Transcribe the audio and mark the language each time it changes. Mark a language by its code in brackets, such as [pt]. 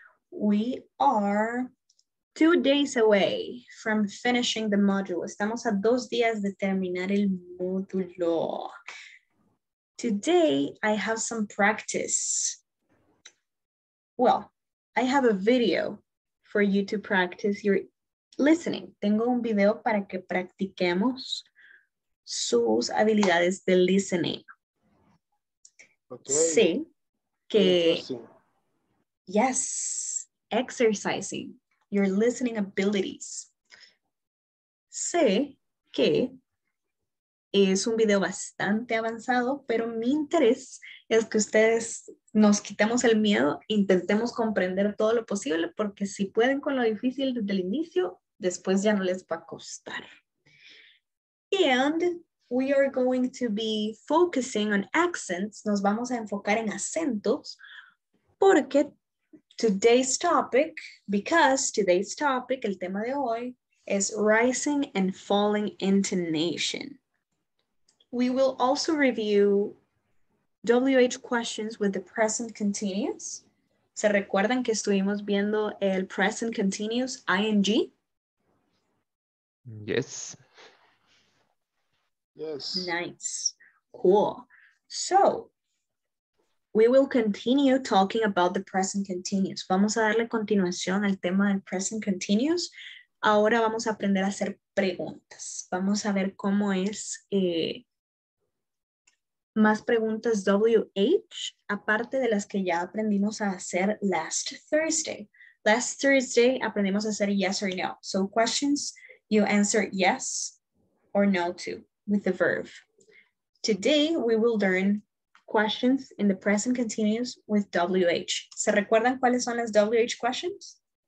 [en] We are 2 days away from finishing the module. [es] Estamos a dos días de terminar el módulo. [en] Today, I have some practice. Well, I have a video for you to practice your listening. [es] Tengo un video para que practiquemos sus habilidades de listening. [en] Okay. [es] Sí. Que, [en] yes, exercising your listening abilities. [es] Sé que es un video bastante avanzado, pero mi interés es que ustedes nos quitemos el miedo, intentemos comprender todo lo posible, porque si pueden con lo difícil desde el inicio, después ya no les va a costar. [en] And we are going to be focusing on accents. [es] Nos vamos a enfocar en acentos, porque [en] today's topic, because today's topic, [es] el tema de hoy, [en] is rising and falling intonation. We will also review WH questions with the present continuous. [es] ¿Se recuerdan que estuvimos viendo el present continuous, ING? [en] Yes. Yes. Nice. Cool. So, we will continue talking about the present continuous. [es] Vamos a darle continuación al tema del present continuous. Ahora vamos a aprender a hacer preguntas. Vamos a ver cómo es más preguntas WH, aparte de las que ya aprendimos a hacer [en] last Thursday. Last Thursday [es] aprendimos a hacer yes or no. [en] So questions you answer yes or no to with the verb. Today we will learn questions in the present continuous with WH. [es] ¿Se recuerdan cuáles son las WH questions?